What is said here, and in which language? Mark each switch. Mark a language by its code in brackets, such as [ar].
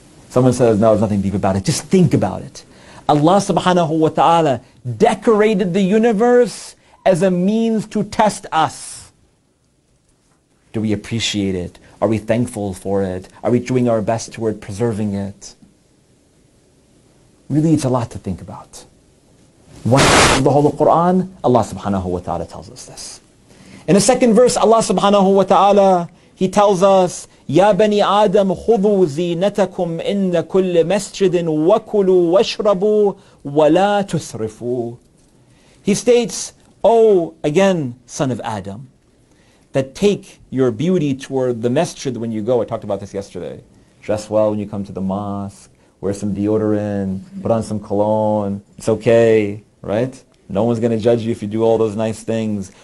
[en] Someone says, no, there's nothing deep about it. Just think about it. Allah subhanahu wa ta'ala decorated the universe as a means to test us. Do we appreciate it? Are we thankful for it? Are we doing our best toward preserving it? Really, it's a lot to think about. One half of the whole Quran, Allah subhanahu wa ta'ala tells us this. In the second verse, Allah subhanahu wa ta'ala, He tells us, [ar] يَا بَنِي آدَمْ خُذُوا زِينَتَكُمْ إِنَّ كُلِّ مَسْجِدٍ وَكُلُوا وَشْرَبُوا وَلَا تُسْرِفُوا. [en] He states, son of Adam, that take your beauty toward the masjid when you go. I talked about this yesterday. Dress well when you come to the mosque, wear some deodorant, put on some cologne. It's okay, right? No one's going to judge you if you do all those nice things.